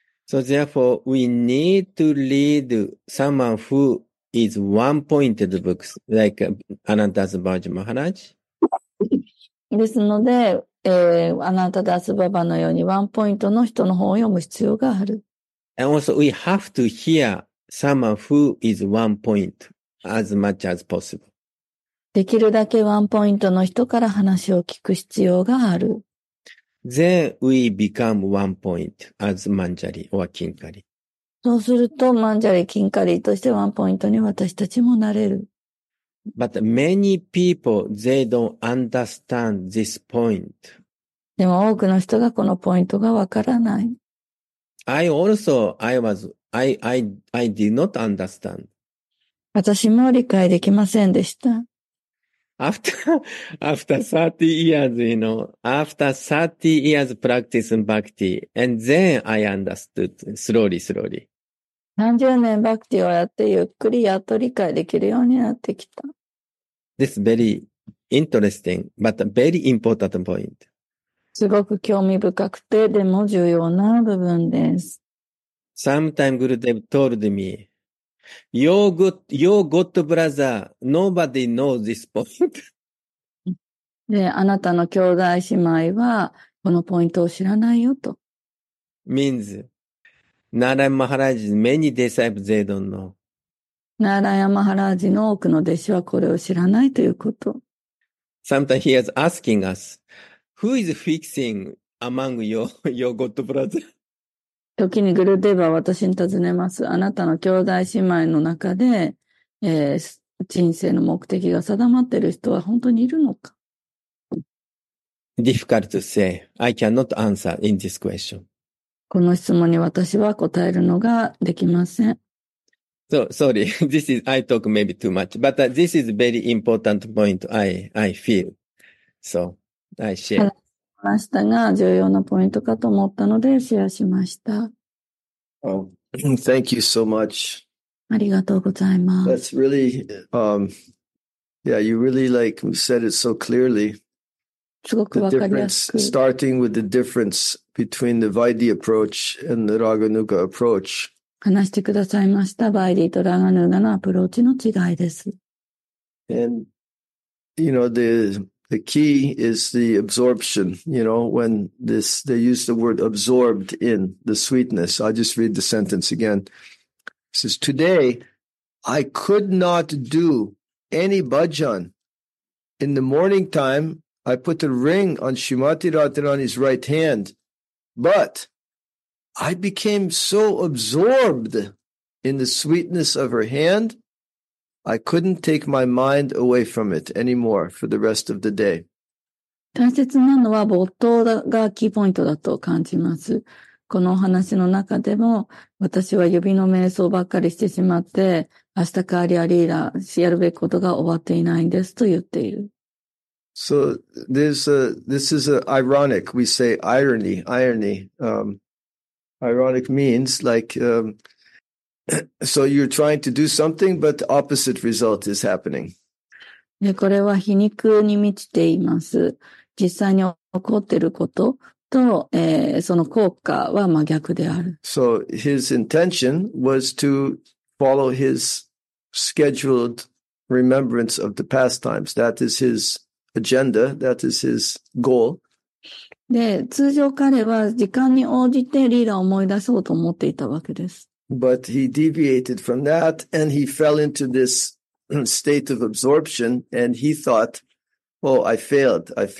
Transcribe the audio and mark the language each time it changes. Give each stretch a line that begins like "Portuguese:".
English: So therefore, we need to read someone who is one-pointed books, like Ananta's Babaji Maharaj.
Japanese: ですので、あなたダスババのようにワンポイントの人の本を読む必要がある。
English: And also we have to hear someone who is one point as much as possible.
Japanese: できるだけワンポイントの人から話を聞く必要がある。
English: Then we become one point as Manjari or Kinkari.
Japanese: そうすると、マンジャリ、キンカリとしてワンポイントに私たちもなれる。
English: But many people, they don't understand this point.
Japanese: でも多くの人がこのポイントがわからない。
English: I did not understand.
Japanese: 私も理解できませんでした。
English: After 30 years, you know, after 30 years practicing bhakti, and then I understood slowly, slowly.
Japanese: 何十年バクティをやってゆっくりやっと理解できるようになってきた。
English: This is very interesting, but a very important point.
Japanese: すごく興味深くて、でも重要な部分です。
English: Sometime Gurudev told me, your good brother, nobody knows this point.
Japanese: で、あなたの兄弟姉妹は、このポイントを知らないよと。
English: Means, Narayan Maharaj, many disciples they don't know.
Japanese: ナーラヤマハラージの多くの弟子はこれを知らないということ。
English: Sometimes he is asking us, who is fixing among your god brother?
Japanese: 時にグルデーバは私に尋ねます。あなたの兄弟姉妹の中で、人生の目的が定まっている人は本当にいるのか
English: ?Difficult to say. I cannot answer in this question.
Japanese: この質問に私は答えるのができません。
English: So, sorry, this is, I talk maybe too much, but this is a very important point I feel. So, I share. 話
Japanese: しましたが、重要なポイントかと思ったので、シェアしました。
English: Oh, thank you so much.
Japanese: ありがとうございます。
English: That's really, yeah, you really like said it so clearly.
Japanese: すごくわかりやすく。
English: The difference, starting with the difference between the Vaidhi approach and the Raghunuga approach.
Japanese: 話してくださいましたバイディとラガヌーガのアプローチの違いです。
English: And you know the The key is the absorption, you know, when this, they use the word absorbed in the sweetness. I'll just read the sentence again. It says, today, I could not do any bhajan. In the morning time, I put a ring on Srimati Radharani's right hand, but I became so absorbed in the sweetness of her hand, I couldn't take my mind away from it anymore for the rest of the day.
Japanese: 大切なのは没頭がキーポイントだと感じます。このお話の中でも、私は指の瞑想ばっかりしてしまって、明日カーリアリーダーしやるべきことが終わっていないんですと言っている。
English: So, this is ironic. We say irony, irony. Ironic means like, so you're trying to do something, but the opposite result is happening.
Japanese: で、これは皮肉に満ちています。実際に起こっていることと、その効果は真逆である。
English: So, his intention was to follow his scheduled remembrance of the pastimes. That is his agenda, that is his goal.
Japanese: で、通常彼は時間に応じてリーダーを思い出そうと思っていたわけです。
English: But he deviated from that and he fell into this state of absorption and he thought, oh, I failed.